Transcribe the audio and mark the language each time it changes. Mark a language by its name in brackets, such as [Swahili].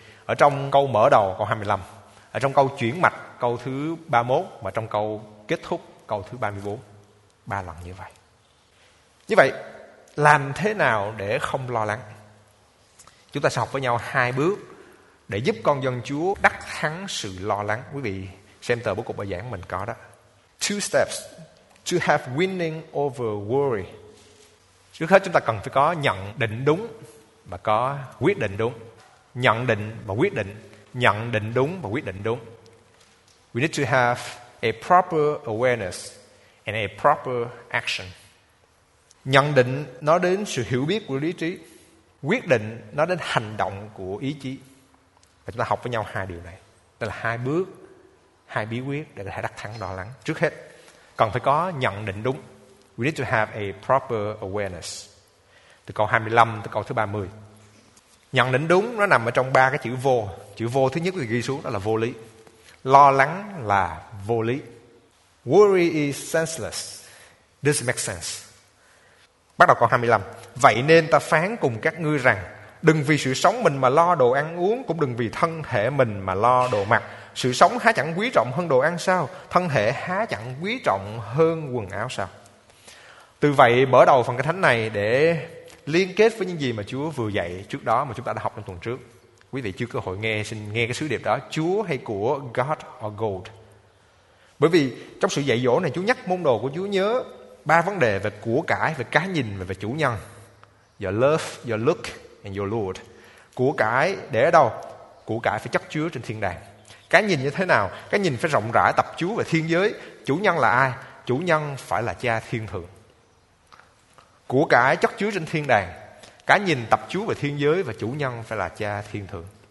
[Vietnamese] Ở trong câu mở đầu câu 25, ở trong câu chuyển mạch câu thứ 31, mà trong câu kết thúc câu thứ 34. Ba lần như vậy. Như vậy làm thế nào để không lo lắng? Chúng ta sẽ học với nhau hai bước để giúp con dân Chúa đắc thắng sự lo lắng. Quý vị xem tờ bố cục bài giảng mình có đó. [English] Two steps to have winning over worry. [Vietnamese] Trước hết chúng ta cần phải có nhận định đúng và có quyết định đúng. Nhận định và quyết định. Nhận định đúng và quyết định đúng. [English] We need to have a proper awareness and a proper action. [Vietnamese] Nhận định nó đến sự hiểu biết của lý trí. Quyết định nó đến hành động của ý chí. Và chúng ta học với nhau hai điều này. Đó là hai bước, hai bí quyết để có thể đắc thắng lo lắng. Trước hết, cần phải có nhận định đúng. [English] We need to have a proper awareness. [Vietnamese] Từ câu 25 tới câu thứ 30. Nhận định đúng nó nằm ở trong ba cái chữ vô. Chữ vô thứ nhất thì ghi xuống đó là vô lý. Lo lắng là vô lý. [English] Worry is senseless. Doesn't make sense. [Vietnamese] Bắt đầu câu 25. Vậy nên ta phán cùng các ngươi rằng, đừng vì sự sống mình mà lo đồ ăn uống, cũng đừng vì thân thể mình mà lo đồ mặc. Sự sống há chẳng quý trọng hơn đồ ăn sao? Thân thể há chẳng quý trọng hơn quần áo sao? Từ vậy mở đầu phần kinh thánh này để liên kết với những gì mà Chúa vừa dạy trước đó mà chúng ta đã học trong tuần trước. Quý vị chưa cơ hội nghe, xin nghe cái sứ điệp đó. Chúa hay của [English] God or gold? [Vietnamese] Bởi vì trong sự dạy dỗ này, Chúa nhắc môn đồ của Chúa nhớ ba vấn đề về của cải, về cá nhìn và về chủ nhân. [English] Your love, your look and your Lord. [Vietnamese] Của cải để ở đâu? Của cải phải chất chứa trên thiên đàng. Cá nhìn như thế nào? Cá nhìn phải rộng rãi, tập chú về thiên giới. Chủ nhân là ai? Chủ nhân phải là Cha thiên thượng. Của cải chất chứa trên thiên đàng. Cá nhìn tập chú về thiên giới và chủ nhân phải là Cha thiên thượng.